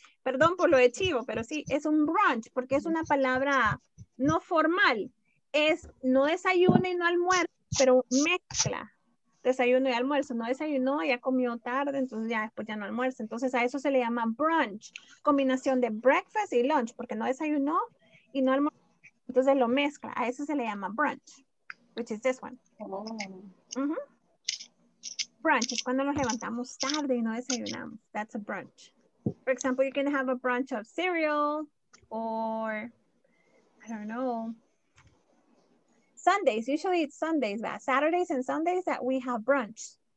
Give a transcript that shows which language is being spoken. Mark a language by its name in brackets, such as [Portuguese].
[Spanish] Perdón por lo de chivo, pero sí, es un brunch porque es una palabra no formal. Es no desayuno y no almuerzo, pero mezcla desayuno y almuerzo. No desayunó, ya comió tarde, entonces ya después ya no almuerza. Entonces a eso se le llama brunch, combinación de breakfast y lunch, porque no desayunó y no almuerzo. Entonces lo mezcla. A eso se le llama brunch, [English] which is this one. [Spanish] Brunch es cuando nos levantamos tarde y no desayunamos. [English] That's a brunch. For example, you can have a brunch of cereal or, I don't know, Sundays. Usually it's Sundays, but Saturdays and Sundays that we have brunch.